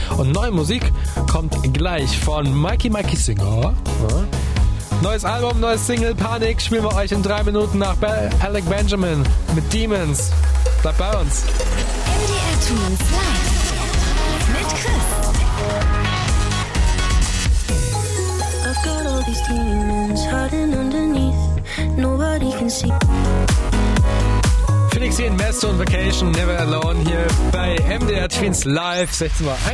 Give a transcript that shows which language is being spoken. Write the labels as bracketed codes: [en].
[de] Und neue Musik kommt gleich von Mikey Mikey Singer. Ja. Neues Album, neues Single, Panik, spielen wir euch in 3 Minuten nach Alec Benjamin mit Demons. Bleibt bei uns. MDR Twins live mit Chris. [en] I've got all these demons hiding underneath, nobody can see. [de] Felix hier in Mesto und Vacation, Never Alone hier bei MDR Twins live, 16.41 Uhr.